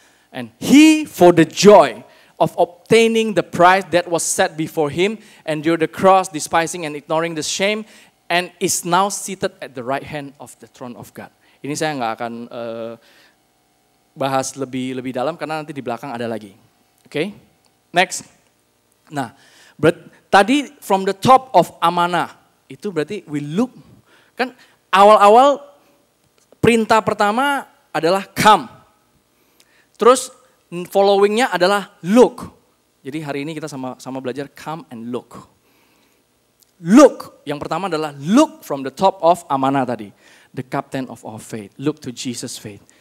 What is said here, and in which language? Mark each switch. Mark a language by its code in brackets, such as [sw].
[en] And he for the joy of obtaining the prize that was set before him, endured the cross, despising and ignoring the shame, and is now seated at the right hand of the throne of God. [id] Ini saya gak akan bahas lebih dalam karena nanti di belakang ada lagi. Oke? Okay? Next. Nah, tadi [en] from the top of [id] amanah, itu berarti [en] we look, [id] kan awal-awal perintah pertama adalah come. Terus following-nya adalah look. Jadi hari ini kita sama-sama belajar come and look. [en] Look, [id] yang pertama adalah [en] look from the top of amanah tadi. The captain of our faith, look to Jesus' faith.